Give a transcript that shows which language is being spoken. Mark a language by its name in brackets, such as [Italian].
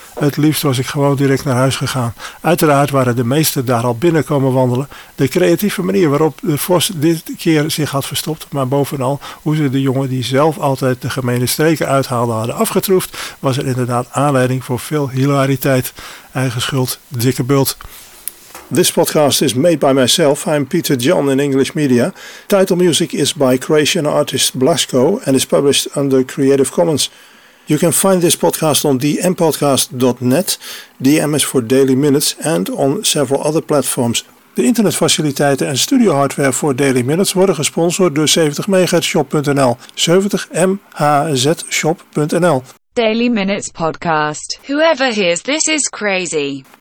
[Dutch] Het liefst was ik gewoon direct naar huis gegaan. Uiteraard waren de meesten daar al binnen komen wandelen. De creatieve manier waarop de vos dit keer zich had verstopt, maar bovenal hoe ze de jongen die zelf altijd de gemene streken uithaalde hadden afgetroefd, was er inderdaad aanleiding voor veel hilariteit. Eigen schuld, dikke bult. [English] This podcast is made by myself. I'm Peter John in English Media. Title music is by Croatian artist Blasko and is published under Creative Commons. You can find this podcast on dmpodcast.net, DM is for Daily Minutes, and on several other platforms. [Dutch] De internetfaciliteiten en studio hardware voor Daily Minutes worden gesponsord door 70MHzShop.nl, 70MHzShop.nl. [English] Daily Minutes Podcast. Whoever hears this is crazy.